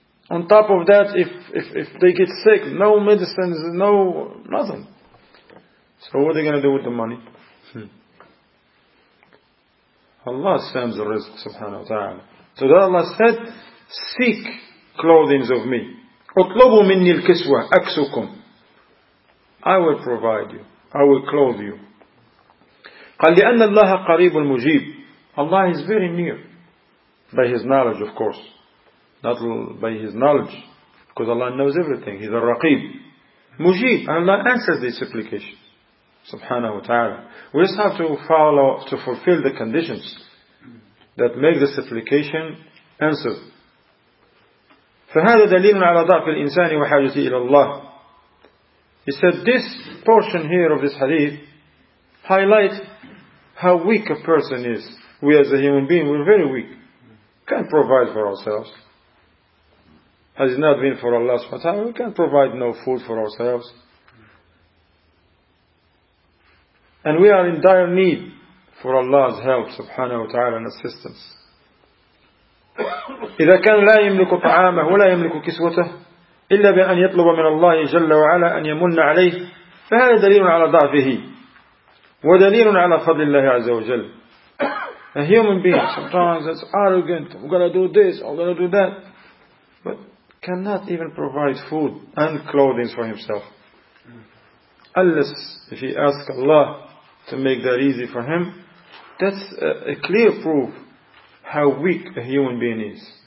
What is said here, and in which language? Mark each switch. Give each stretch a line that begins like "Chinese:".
English: On top of that, if they get sick, no medicines, no nothing. So what are they going to do with the money? Allah sends the rizq, subhanahu wa ta'ala. So that Allah said, seek clothings of me.
Arabic: أطلبوا مني الكسوة أكسكم.
English: I will provide you. I will clothe you.
Arabic: قال لأن الله قريب المجيب.
English: Allah is very near. By His knowledge, of course. Not by His knowledge. Because Allah knows everything. He's a raqib. Mujib. Allah answers these supplications. Subhanahu wa ta'ala. We just have to follow, to fulfill the conditions that make the supplication answered.
Arabic: فهذا دليل على ضعف الإنسان وحاجته إلى الله.
English: He said, this portion here of this hadith highlights how weak a person is. We as a human being, we're very weak. Can't provide for ourselves. Has it not been for Allah subhanahu wa ta'ala, we can't provide no food for ourselves. And we are in dire need for Allah's help subhanahu wa ta'ala and assistance.
Arabic: إذا كان لا يملك طعامه ولا يملك كسوته إلا بأن يطلب من الله جل وعلا أن يمن عليه، فهذا دليل على ضعفه ودليل على فضل الله عز وجل.
English: A human being sometimes is arrogant. I'm gonna do this. I'm gonna do that, but cannot even provide food and clothing for himself. Unless if he asks Allah to make that easy for him, that's a clear proof how weak a human being is.